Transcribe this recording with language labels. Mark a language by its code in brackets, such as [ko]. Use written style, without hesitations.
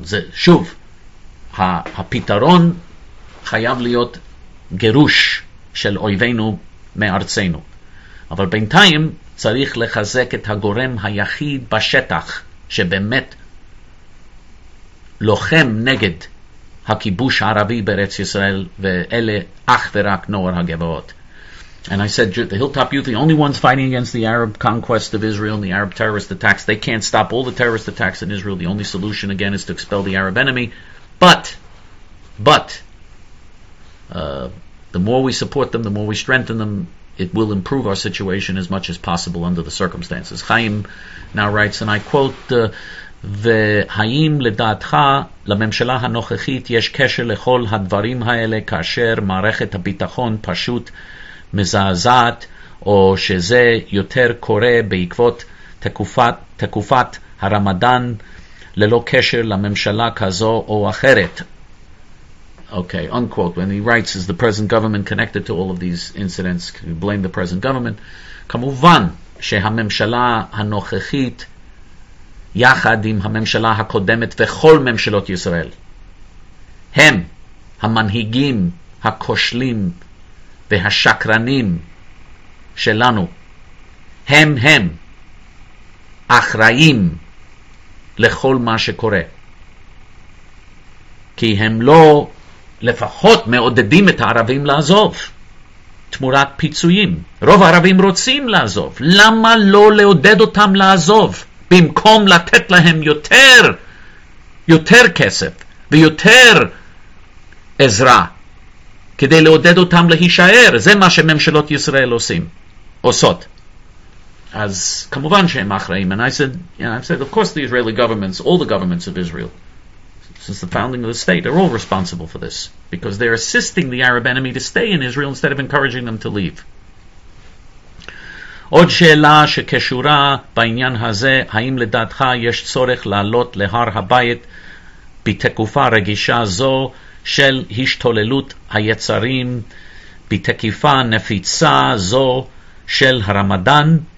[he] זה, שוב, הפתרון חייב להיות גירוש של אויבינו מארצנו. אבל בינתיים צריך לחזק את הגורם היחיד בשטח שבאמת לוחם נגד הכיבוש הערבי בארץ ישראל, ואלה אך ורק נוער הגבעות. [en] And I said, the Hilltop Youth, the only ones fighting against the Arab conquest of Israel and the Arab terrorist attacks, they can't stop all the terrorist attacks in Israel. The only solution, again, is to expel the Arab enemy. But, the more we support them, the more we strengthen them, it will improve our situation as much as possible under the circumstances. Chaim now writes, and I quote, [he] והאם לדעתך לממשלה הנוכחית יש קשר לכל הדברים האלה כאשר מערכת הביטחון פשוט מזעזעת, או שזה יותר קורה בעקבות תקופת הרמדאן ללא קשר לממשלה כזו או אחרת? [en] Okay, unquote. When he writes, is the present government connected to all of these incidents? Can you blame the present government? [he] כמובן שהממשלה הנוכחית יחד עם הממשלה הקודמת וכל ממשלות ישראל הם המנהיגים הכושלים והשקרנים שלנו. הם אחראים לכל מה שקורה, כי הם לא לפחות מעודדים את הערבים לעזוב תמורת פיצויים. רוב הערבים רוצים לעזוב. למה לא לעודד אותם לעזוב במקום לתת להם יותר כסף ויותר עזרה כדי לעודד אותם להישאר. זה מה שממשלות ישראל עושות. אז כמובן שהם אחראים. [en] And I said, of course the Israeli governments, all the governments of Israel, since the founding of the state, are all responsible for this, because they're assisting the Arab enemy to stay in Israel instead of encouraging them to leave. [he] עוד שאלה שקשורה בעניין הזה, האם לדעתך יש צורך לעלות להר הבית בתקופה רגישה זו של השתוללות היצרים, בתקיפה נפיצה זו של הרמדאן,